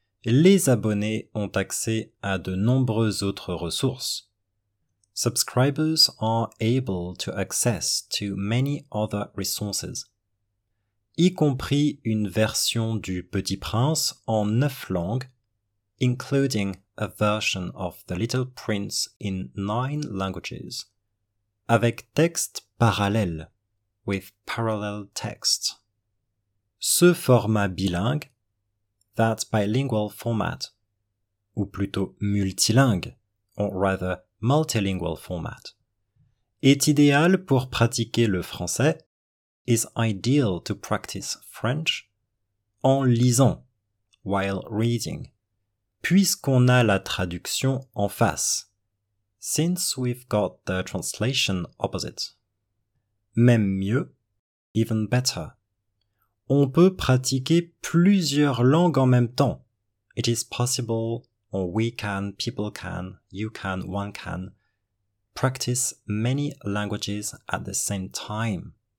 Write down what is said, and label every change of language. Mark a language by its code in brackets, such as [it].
[fr] les abonnés ont accès à de nombreuses autres ressources. [en] Subscribers are able to access to many other resources, [fr] y compris une version du Petit Prince en 9 langues, [en] including a version of The Little Prince in 9 languages, [fr] avec texte parallèle, [en] with parallel text. [fr] Ce format bilingue, [en] that bilingual format, [fr] ou plutôt multilingue, [en] or rather multilingual format, [fr] est idéal pour pratiquer le français, [en] is ideal to practice French, [fr] en lisant, [en] while reading, [fr] puisqu'on a la traduction en face, [en] since we've got the translation opposite. [fr] Même mieux, [en] even better. [fr] On peut pratiquer plusieurs langues en même temps. [en] It is possible, or we can, people can, you can, one can, practice many languages at the same time,